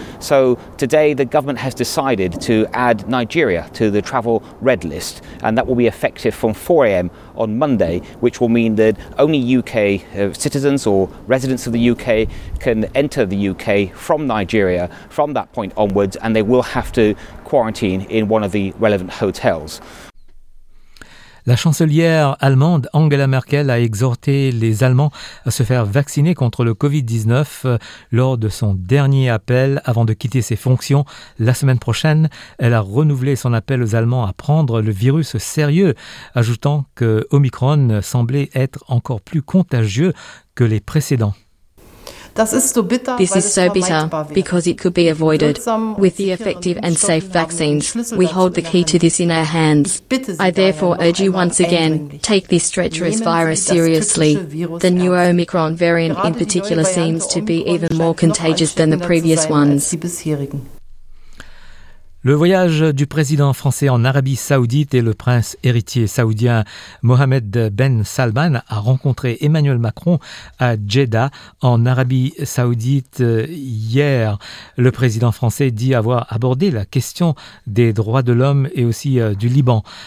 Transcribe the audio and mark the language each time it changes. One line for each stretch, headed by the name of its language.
English: So today the government has decided to add Nigeria to the travel red list, and that will be effective from 4 a.m. on Monday, which will mean that only UK citizens or residents of the UK can enter the UK from Nigeria from that point onwards, and they will have to quarantine in one of the relevant hotels.
French: La chancelière allemande Angela Merkel a exhorté les Allemands à se faire vacciner contre le Covid-19 lors de son dernier appel avant de quitter ses fonctions la semaine prochaine. Elle a renouvelé son appel aux Allemands à prendre le virus au sérieux, ajoutant que Omicron semblait être encore plus contagieux que les précédents.
English: This is so bitter because it could be avoided. With the effective and safe vaccines, we hold the key to this in our hands. I therefore urge you once again, take this treacherous virus seriously. The new Omicron variant in particular seems to be even more contagious than the previous ones.
French: Le voyage du président français en Arabie Saoudite et le prince héritier saoudien Mohamed Ben Salman a rencontré Emmanuel Macron à Jeddah en Arabie Saoudite hier. Le président français dit avoir abordé la question des droits de l'homme et aussi du Liban.